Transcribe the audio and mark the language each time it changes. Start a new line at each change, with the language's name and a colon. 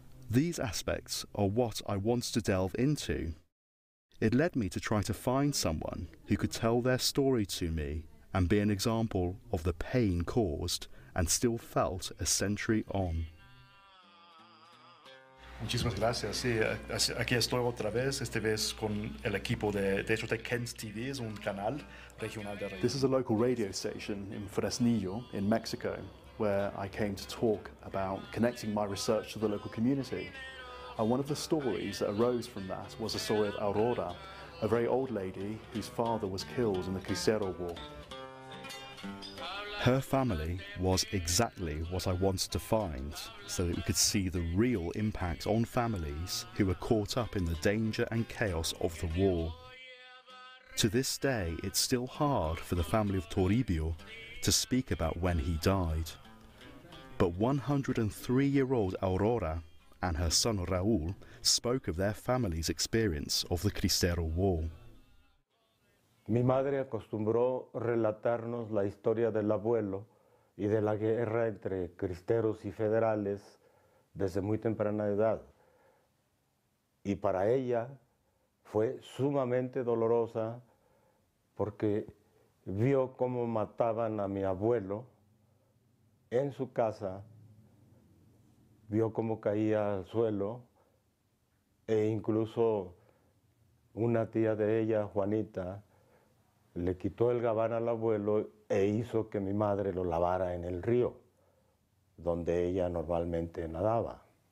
English: These aspects are what I wanted to delve into. It led me to try to find someone who could tell their story to me and be an example of the pain caused and still felt a century on.
Spanish: Muchísimas gracias. Sí, aquí estoy otra vez, esta vez con el equipo de hecho de Kent TV, es un canal regional de radio.
English: This is a local radio station in Fresnillo, in Mexico, where I came to talk about connecting my research to the local community. And one of the stories that arose from that was the story of Aurora, a very old lady whose father was killed in the Cristero War. Her family was exactly what I wanted to find, so that we could see the real impact on families who were caught up in the danger and chaos of the war. To this day, it's still hard for the family of Toribio to speak about when he died. But 103-year-old Aurora and her son Raúl spoke of their family's experience of the Cristero War.
Spanish: Mi madre acostumbró relatarnos la historia del abuelo y de la guerra entre cristeros y federales desde muy temprana edad. Y para ella fue sumamente dolorosa porque vio cómo mataban a mi abuelo en su casa, vio cómo caía al suelo e incluso una tía de ella, Juanita, le quitó el gabán al abuelo e hizo que mi madre lo lavara en el río, donde ella normalmente nadaba.